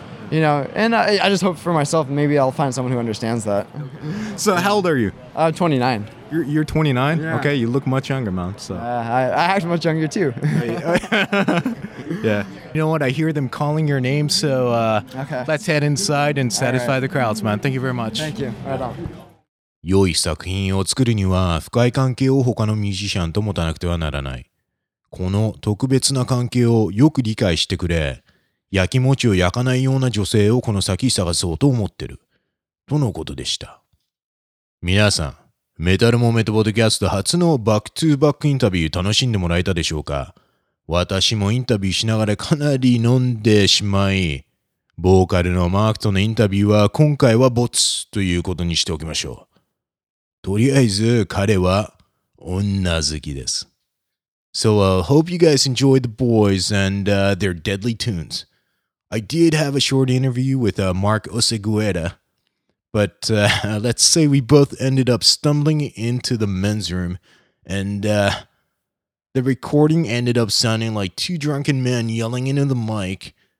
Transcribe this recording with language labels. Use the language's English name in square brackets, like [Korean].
[English] You know, and I just hope for myself maybe I'll find someone who understands that. So how old are you? 29. You're 29? Yeah. Okay, you look much younger, man. So I act much younger too. Yeah. You know what? I hear them calling your name, so let's head inside and satisfy the crowds, man. Thank you very much. Thank you. Right on. [Japanese] 良い作品を作るには深い関係を他のミュージシャンと持たなくてはならない。この特別な関係をよく理解してくれ。焼き餅を焼かないような女性をこの先探そうと思ってる。とのことでした。皆さん、メタルモメントポッドキャスト初のバックトゥーバックインタビュー楽しんでもらえたでしょうか。私もインタビューしながらかなり飲んでしまい、ボーカルのマークとのインタビューは今回はボツということにしておきましょう。とりあえず彼は女好きです。 [English] So hope you guys enjoyed the boys and their deadly tunes. I did have a short interview with Mark Oseguera, but let's say we both ended up stumbling into the men's room and the recording ended up sounding like two drunken men yelling into the mic.